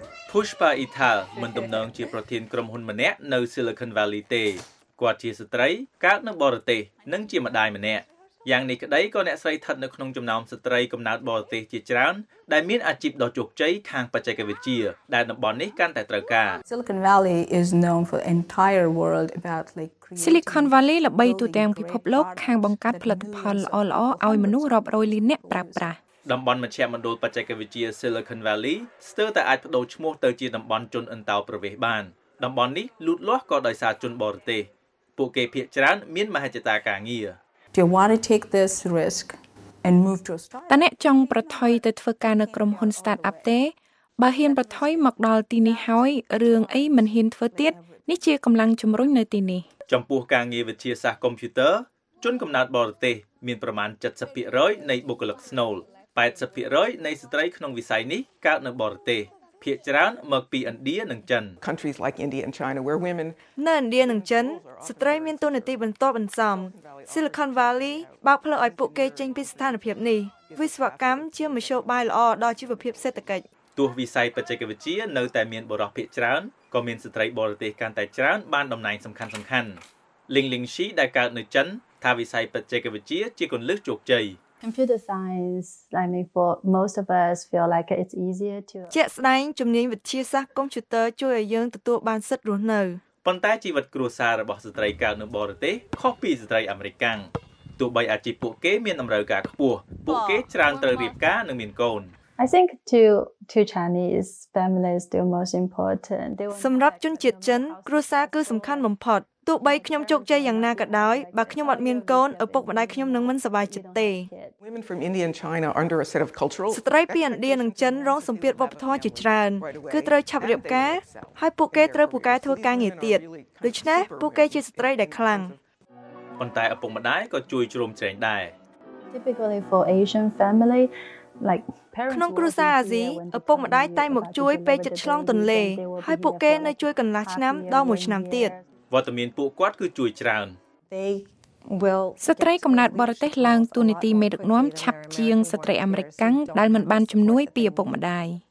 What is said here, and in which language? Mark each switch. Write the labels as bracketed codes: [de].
[km] Pushpa Ital មិនទំនងជាប្រធានក្រុមហ៊ុនម្នាក់នៅ Silicon Valley ទេគាត់ជាស្ត្រីកើតនៅបរទេសនិងជាម្ដាយម្នាក់យ៉ាងនេះក្តីក៏អ្នកស្រីស្ថិតនៅក្នុងចំណោមស្ត្រីកំណើតបរទេសជាច្រើនដែលមានអាជីពដ៏ជោគជ័យខាងបច្ចេកវិទ្យាដែលតំបន់នេះកាន់តែត្រូវការ [en] Silicon Valley is known for entire world about like [km] Silicon Valley ល្បីទូទាំងពិភពលោកខាងបង្កើតផលិតផលល្អល្អឲ្យមនុស្សរាប់រយលានអ្នកប្រើប្រាស់តំបន់មជ្ឈមណ្ឌលបច្ចេកវិទ្យា Silicon Valley ស្ទើរតែអាចបដូរឈ្មោះទៅជាតំបន់ជនអន្តោប្រវេសន៍បានតំបន់នេះលូតលាស់ក៏ដោយសារជនបរទេសពួកគេភាគច្រើនមានមហិច្ឆតាការងារ [en] Do you want to take this riskand move to a startup [km] តើអ្នកចង់ប្រថុយទៅធ្វើការនៅក្រុមហ៊ុន startup ទេបើហ៊ានប្រថុយមកដល់ទីនេះហើយរឿងអីមិនហ៊ានធ្វើទៀតនេះជាកម្លាំងជំរុញនៅទីនេះ ចំពោះការងារវិទ្យាសាស្ត្រកុំព្យូទ័រជនកំណើតបរទេសមានប្រមាណ 70% នៃបុគ្គលិកស្នូល 80% នៃស្ត្រីក្នុងវិស័យនេះកើតនៅបរទេសភាគច្រើនមកពីឥណ្ឌានិងចិន [en] Countries like India and China where women [km] នៅឥណ្ឌានិងចិនស្ត្រីមានតួនាទីបន្តបន្សំ Silicon Valley បើកផ្លូវឲ្យពួកគេចេញពីស្ថានភាពនេះវិស្វកម្មជាមធ្យោបាយល្អដល់ជីវភាពសេដ្ឋកិច្ច ទោះវិស័យបច្ចេកវិទ្យានៅតែមានបរិភាគច្រើនក៏មានស្ត្រីបរទេសកាន់តែច្រើនបានតំណែងសំខាន់សំខាន់ Ling Ling Shi ដែលកើតនៅចិនថាវិស័យបច្ចេកវិទ្យាជាគន្លឹះជោគជ័យ [en] Computer science I mean for most of us feel like it's easier to [km] ជាក់ស្ដែងជំនាញវិទ្យាសាស្ត្រកុំព្យូទ័រជួយឲ្យយើងទទួលបានសិទ្ធិរស់នៅ ប៉ុន្តែជីវិតគ្រួសាររបស់ស្ត្រីកើតនៅបរទេសខុសពីស្ត្រីអាមេរិកទោះបីអាជីពពួកគេមានតម្រូវការខ្ពស់ពួកគេច្រើនត្រូវរៀបការនិងមានកូន [en] I think to Chinese families the most important. [km] សម្រាប់ជនជាតិចិនគ្រួសារគឺសំខាន់បំផុតទោះបីខ្ញុំជោគជ័យយ៉ាងណាក៏ដោយបើខ្ញុំអត់មានកូនឪពុកម្ដាយខ្ញុំនឹងមិនសប្បាយចិត្តទេ [en] Women from India and China are under a set of cultural [km] ស្ត្រីពីឥណ្ឌានិងចិនរងសម្ពាធវប្បធម៌ជាច្រើនគឺត្រូវឆាប់រៀបការហើយពួកគេត្រូវពូកែធ្វើការងារទៀតដូច្នេះពួកគេជាស្ត្រីដែលខ្លាំង ប៉ុន្តែឪពុកម្ដាយក៏ជួយជ្រោមជ្រែងដែរ [en] Typically for Asian family like [km] ក្នុងគ្រួសារអាស៊ីឪពុកម្ដាយតែមកជួយពេលចិត្តឆ្លងទន្លេហើយពួកគេនៅជួយកន្លះឆ្នាំដល់មួយឆ្នាំទៀត វត្តមានពួកគាត់គឺជួយច្រើន ស្ត្រីកំណើតបរទេសឡើងទូនីតិមេដឹកនាំឆាប់ជាងស្ត្រីអាមេរិកកាំងដែលមិនបានជំនួយពីឪពុកម្ដាយ